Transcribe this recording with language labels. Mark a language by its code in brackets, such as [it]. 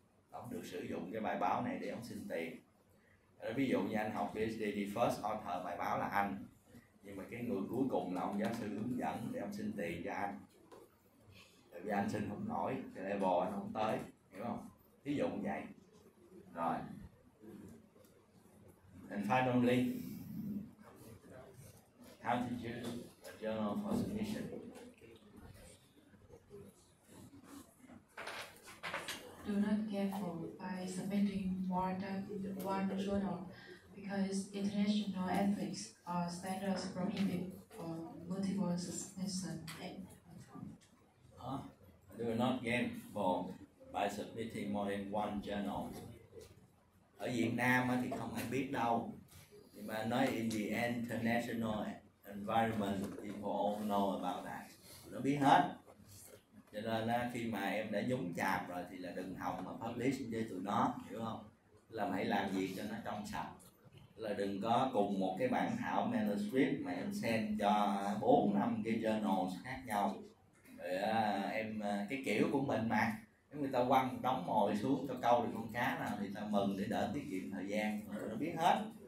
[vi] Ông được sử dụng cái bài báo này để ông xin tiền. Ví dụ như anh học PhD thì first author bài báo là anh, nhưng mà cái người cuối cùng là ông giáo sư hướng dẫn để ông xin tiền cho anh, tại vì anh xin không nổi, cái level anh không tới, hiểu không? Ví dụ như vậy. Rồi. [en] And finally, how to use a journal for submission? Do not careful by submitting more than one journal, because international ethics are standards prohibit for multiple submission. Do not careful by submitting more than one journal. [vi] Ở Việt Nam thì không ai biết đâu. Nhưng mà nói [en] in the international environment, people all know about that. [vi] Nó biết hết. Cho nên khi mà em đã nhúng chạp rồi thì là đừng hòng mà publish với tụi nó, hiểu không? Là hãy làm việc cho nó trong sạch. Là đừng có cùng một cái bản thảo manuscript mà em send cho 4-5 cái journals khác nhau. Rồi em, cái kiểu của mình mà, người ta quăng đóng mồi xuống cho câu được con cá nào thì ta mừng để đỡ tiết kiệm thời gian. Rồi nó biết hết.